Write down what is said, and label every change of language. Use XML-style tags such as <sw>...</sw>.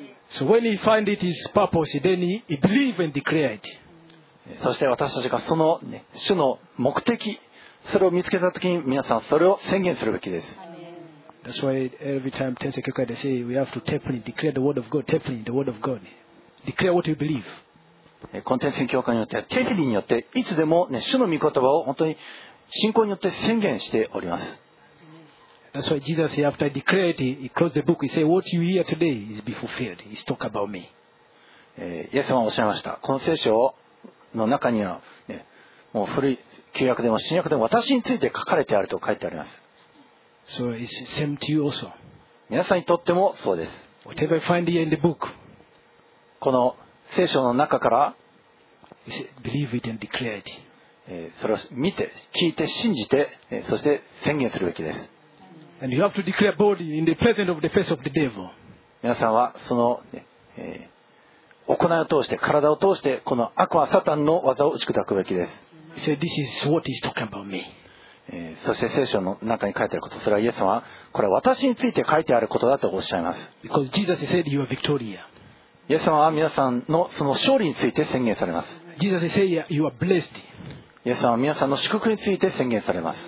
<en>So when he find it his purpose, then he believe and declare it.</en> <ja>そして私たちがその、ね、主の目的、それを見つけたときに皆さんそれを宣言するべきです。</ja> <en>That's why every time Tensei Kyokai they say we have to tenfold declare the word of God, tenfold the word of God, declare what you believe.</en> <ja>この天線教会によってテフィリによっていつでも、ね、主の御言葉を本当に信仰によって宣言しております。イエス様はおっしゃいました。この聖書の中には、ね、もう古い旧約でも新約でも私について書かれてあると書いてあります。</ja> <en>So、it's same to you also.</en> <ja>皆さんにとってもそうです。</ja> <en>Whatever I find here in the book.</en> <ja>この聖書の中から</ja> <en>Believe it and declare it.</en> <ja>それを見て聞いて信じて、そして宣言するべきです。皆さんはその、行いを通して体を通してこの悪魔サタンの技を打ち砕くべきです。</ja> <en>So this is what he's talking about me.</en> <ja>そして聖書の中に書いてあること、それはイエス様はこれは私について書いてあることだとおっしゃいます。</ja> <en>Because Jesus said you are victorious.</en> <ja>イエス様は皆さんのその勝利について宣言されます。イエス様は皆さんの祝福について宣言されます。</ja>